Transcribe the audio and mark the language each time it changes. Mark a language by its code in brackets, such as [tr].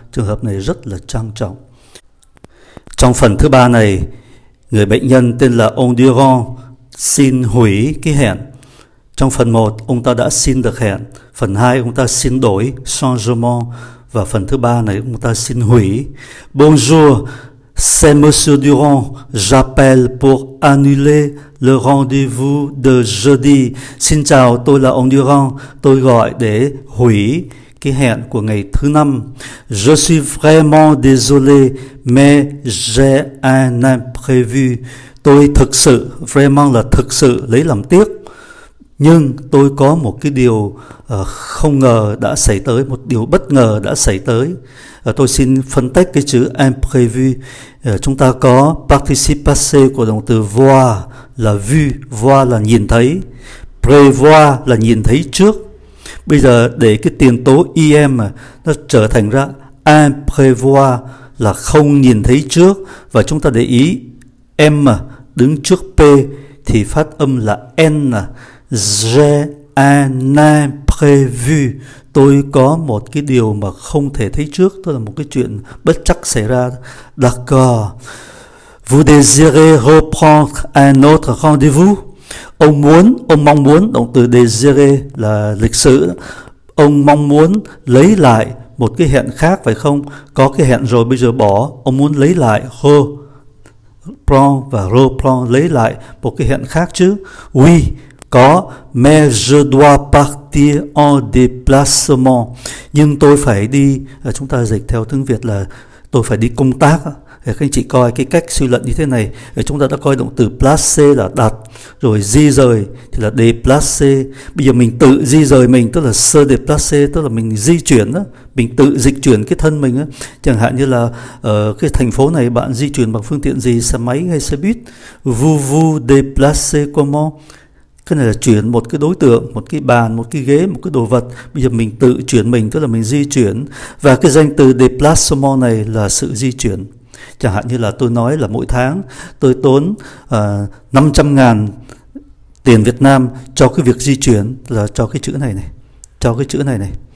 [vi] Trường hợp này rất là trang trọng. Trong phần thứ ba này, người bệnh nhân tên là Endurant xin hủy cái hẹn. Trong phần 1, ông ta đã xin được hẹn. Phần 2, ông ta xin đổi, changement. Và phần thứ 3 này, ông ta xin hủy. [fr] Bonjour, c'est Monsieur Durand. J'appelle pour annuler le rendez-vous de jeudi. [vi] Xin chào, tôi là ông Durand. Tôi gọi để hủy cái hẹn của ngày thứ 5. [fr] Je suis vraiment désolé, mais j'ai un imprévu. [vi] Tôi thực sự, vraiment là thực sự, lấy làm tiếc. Nhưng tôi có một cái điều không ngờ đã xảy tới, một điều bất ngờ đã xảy tới. Tôi xin phân tách cái chữ imprévu. Chúng ta có participe passé của động từ voir là vu, voir là nhìn thấy, prévoir là nhìn thấy trước. Bây giờ để cái tiền tố im nó trở thành ra imprévoir là không nhìn thấy trước, và chúng ta để ý m đứng trước p thì phát âm là n. [fr] J'ai un imprévu. [vi] Tôi có một cái điều mà không thể thấy trước, tức là một cái chuyện bất chắc xảy ra. [fr] D'accord. Vous désirez reprendre un autre rendez-vous? [vi] Ông muốn, ông mong muốn, động từ désirer là lịch sự. Ông mong muốn lấy lại một cái hẹn khác phải không? Có cái hẹn rồi bây giờ bỏ, ông muốn lấy lại. Reprendre và reprendre, lấy lại một cái hẹn khác chứ. [fr] Oui. [vi] Có, [fr] mais je dois partir en déplacement. [vi] Nhưng tôi phải đi, chúng ta dịch theo tiếng Việt là tôi phải đi công tác. Các anh chị coi cái cách suy luận như thế này. Chúng ta đã coi động từ placer là đặt, rồi di rời thì là déplacer. Bây giờ mình tự di rời mình, tức là se déplacer, tức là mình di chuyển, mình tự dịch chuyển cái thân mình. Chẳng hạn như là ở cái thành phố này bạn di chuyển bằng phương tiện gì, xe máy hay xe buýt? [fr] Vous vous déplacez comment? [vi] Cái này là chuyển một cái đối tượng, một cái bàn, một cái ghế, một cái đồ vật. Bây giờ mình tự chuyển mình, tức là mình di chuyển. Và cái danh từ déplacement này là sự di chuyển. Chẳng hạn như là tôi nói là mỗi tháng tôi tốn 500 ngàn tiền Việt Nam cho cái việc di chuyển, là cho cái chữ này này, cho cái chữ này này.